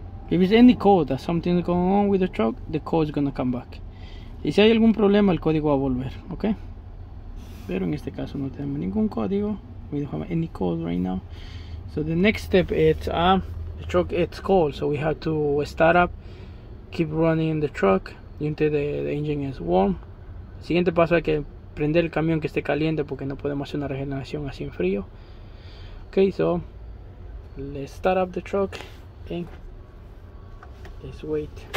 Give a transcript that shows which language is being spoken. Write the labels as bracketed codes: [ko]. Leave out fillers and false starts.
[en] If it's any code, something's going on with the truck, the code's gonna come back. [es] Y si hay algún problema, el código va a volver, ok? Pero en este caso no tenemos ningún código. [en] We don't have any code right now. So the next step is the truck is cold, so we have to start up, keep running the truck until the engine is warm. [es] El siguiente paso es que prender el camión que esté caliente porque no podemos hacer una regeneración así en frío. [en] Okay, so let's start up the truck and let's wait.